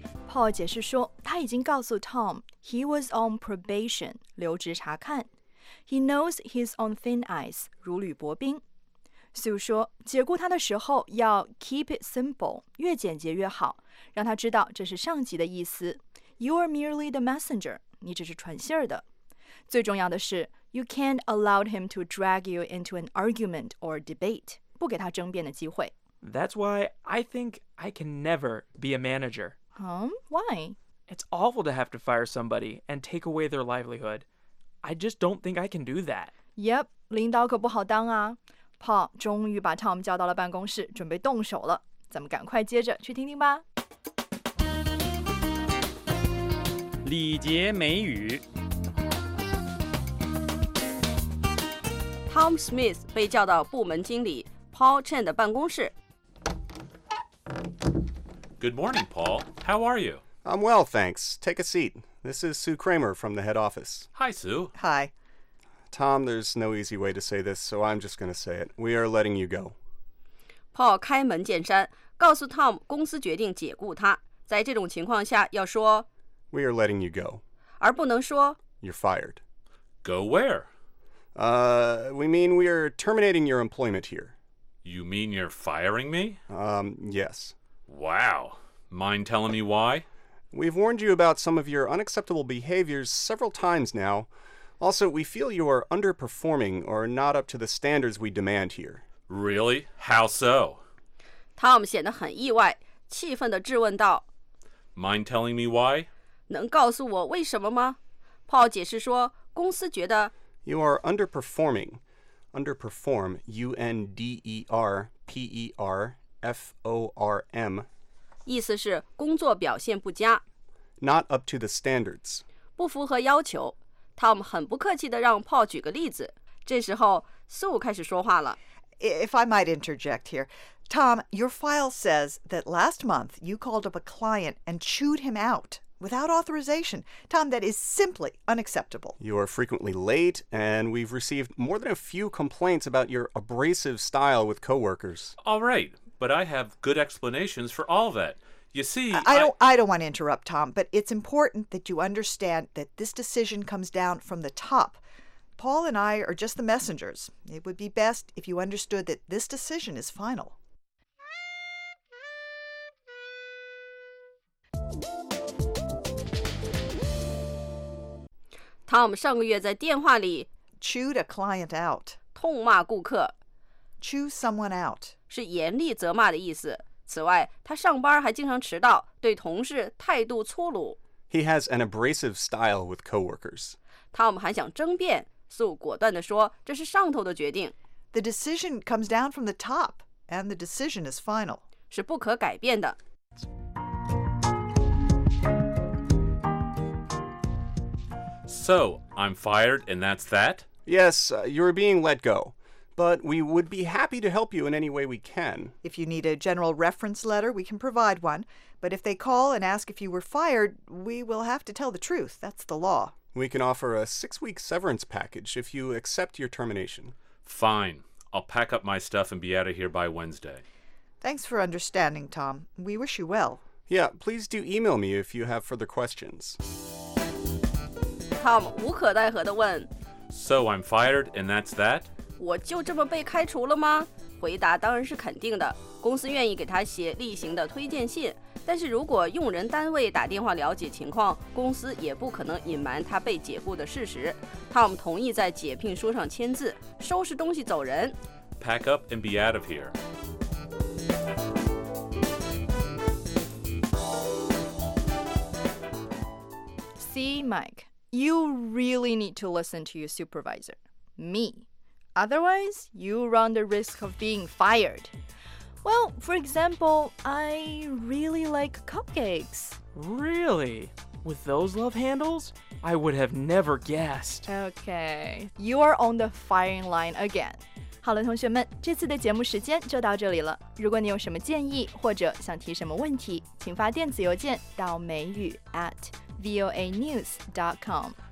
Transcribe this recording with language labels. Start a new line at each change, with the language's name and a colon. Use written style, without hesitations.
Chinese: Paul 解释说，他已经告诉 Tom
English: he was on probation，
Chinese: 留职察看。
English: He knows he's on thin ice，
Chinese: 如履薄冰。 Sue 说，解雇他的时候要
English: keep it simple，
Chinese: 越简洁越好，让他知道这是上级的意思。
English: You are merely the messenger.
Chinese: 你只是传信儿的。最重要的是
English: ，you can't allow him to drag you into an argument or debate，
Chinese: 不给他争辩的机会。
English: That's why I think I can never be a manager. Why? It's awful to have to fire somebody and take away their livelihood. I just don't think I can do that.
Chinese: Yep， 领导可不好当啊。Paul 终于把 Tom 叫到了办公室，准备动手了。咱们赶快接着去听听吧。礼节美语 Tom Smith 被叫到部门经理 Paul Chen 的办公室。
English: Good morning, Paul. How are you? I'm well, thanks. Take a seat. This is Sue Kramer from the head office. Hi, Sue. Hi. Tom, there's no easy way to say this, so I'm just going to say it. We are letting you go.
Chinese: Paul 开门见山，告诉 Tom 公司决定解雇他。在这种情况下，要说
English: We are letting you go.
Chinese: 而不能说
English: You're fired. Go where? We mean we are terminating your employment here. You mean you're firing me? Yes. Wow. Mind telling me why? We've warned you about some of your unacceptable behaviors several times now. Also, we feel you are underperforming or not up to the standards we demand here. Really? How so?
Chinese: Tom 显得很意外，气愤地质问道
English: Mind telling me why?
Chinese: 能告诉我为什么吗 ？Paul 解释说，公司觉得
English: You are underperforming. Underperform, U-N-D-E-R-P-E-R form.
Chinese: 意思是工作表现不佳。
English: Not up to the standards.
Chinese: 不符合要求。 Tom 很不客气地让 Paul 举个例子。这时候 Sue 开始说话了。
English: If I might interject here, Tom, your file says that last month you called up a client and chewed him out. Without authorization. Tom, that is simply unacceptable. You are frequently late, and we've received more than a few complaints about your abrasive style with coworkers. All right, but I have good explanations for all that. You see, I don't want to interrupt, Tom, but it's important that you understand that this decision comes down from the top. Paul and I are just the messengers. It would be best if you understood that this decision is final.
Chinese: Tom 上个月在电话里
English: chewed a client out,
Chinese: 痛骂顾客
English: chew someone out,
Chinese: 是严厉责骂的意思。此外，他上班还经常迟到，对同事态度粗鲁。
English: He has an abrasive style with coworkers.
Chinese: Tom 还想争辩，素果断地说，这是上头的决定。
English: The decision comes down from the top, and the decision is final.
Chinese: 是不可改变的。
English: So, I'm fired and that's that? Yes, you're being let go. But we would be happy to help you in any way we can. If you need a general reference letter, we can provide one. But if they call and ask if you were fired, we will have to tell the truth. That's the law. We can offer a 6-week severance package if you accept your termination. Fine. I'll pack up my stuff and be out of here by Wednesday. Thanks for understanding, Tom. We wish you well. Yeah, please do email me if you have further questions.
Chinese: Tom 无可奈何地问
English: So I'm fired and that's that?
Chinese: 我就这么被开除了吗？回答当然是肯定的，公司愿意给他写例行的推荐信，但是如果用人单位打电话了解情况，公司也不可能隐瞒他被解雇的事实。 Tom 同意在解聘书上签字，收拾东西走人。
English: Pack up and be out of here. See, Mike. You really need to listen to your supervisor, me. Otherwise, you run the risk of being fired. Well, for example, I really like cupcakes. Really? With those love handles? I would have never guessed. Okay, you are on the firing line again.
Chinese: 好了，同学们，这次的节目时间就到这里了。如果你有什么建议或者想提什么问题，请发电子邮件到美语 @voanews.com.